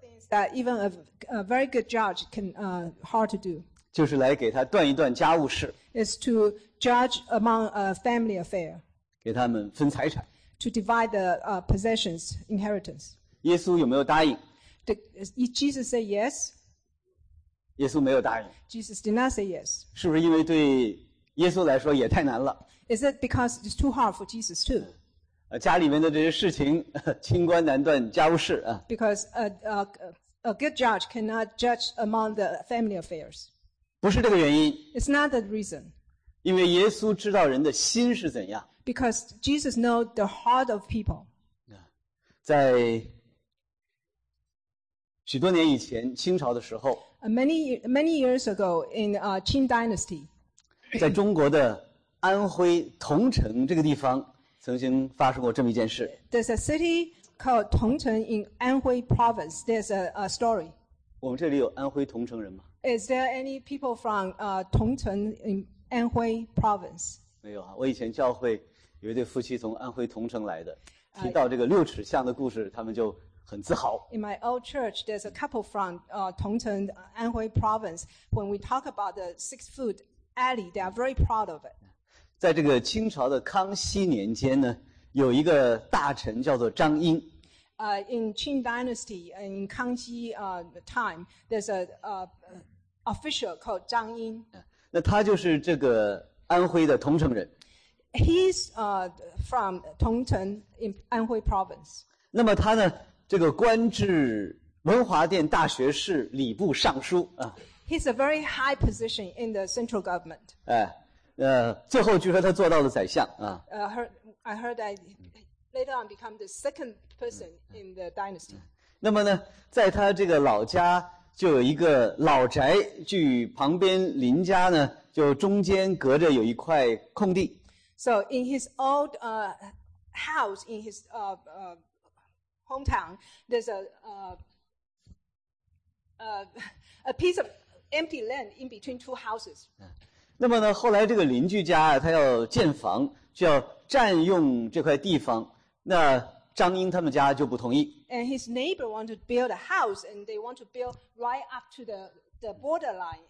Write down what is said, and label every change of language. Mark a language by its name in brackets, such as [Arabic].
[English] That even a very good judge can hard to do. [Chinese] 就是来给他断一断家务事。 [English] Is to judge among a family affair. [Chinese] 给他们分财产。 [English] To divide the possessions inheritance. [Chinese] 耶稣有没有答应？ [English] Jesus say yes. [Chinese] 耶稣没有答应。 [English] Jesus did not say yes. [Chinese] 是不是因为对耶稣来说也太难了？ [English] Is it because it's too hard for Jesus too? [Chinese] 家里面的这些事情，清官难断家务事啊。 [English] Because a good judge cannot judge among the family affairs. [Chinese] 不是这个原因。 [English] It's not the reason. [Chinese] 因为耶稣知道人的心是怎样。 [English] Because Jesus knows the heart of people. [Chinese] 在许多年以前，清朝的时候。 [English] Many years ago in Qing Dynasty. [Chinese] 在中国的安徽桐城这个地方。曾经发生过这么一件事。 [English] There's a city called Tongcheng in Anhui province. There's a story. [Chinese] 我们这里有安徽桐城人吗？ [English] Is there any people from Tongcheng in Anhui province? [Chinese] 没有啊，我以前教会有一对夫妻从安徽桐城来的，提到这个六尺巷的故事，他们就很自豪。 [English] In my old church, there's a couple from Tongcheng, Anhui province. When we talk about the six-foot alley, they are very proud of it. [Chinese] 在这个清朝的康熙年间呢，有一个大臣叫做张英。 [English] In Qing Dynasty, in 康熙time, there's a official called 张英。 [Chinese] 那他就是这个安徽的桐城人。 [English] He's from 桐城 in 安徽 province. [Chinese] 那么他呢，这个官至文华殿大学士、礼部尚书啊。 [English] He's a very high position in the central government. [Chinese] 最后据说他做到了宰相啊。 [English] I heard that later on become the second person in the dynasty. [Chinese] 那么呢，在他这个老家就有一个老宅，据旁边邻家呢，就中间隔着有一块空地。 [English] So in his old house in his hometown, there's a piece of empty land in between two houses. [Chinese] 那么呢，后来这个邻居家啊，他要建房，就要占用这块地方。那张英他们家就不同意。 [English] And his neighbor want to build a house, and they want to build right up to the borderline.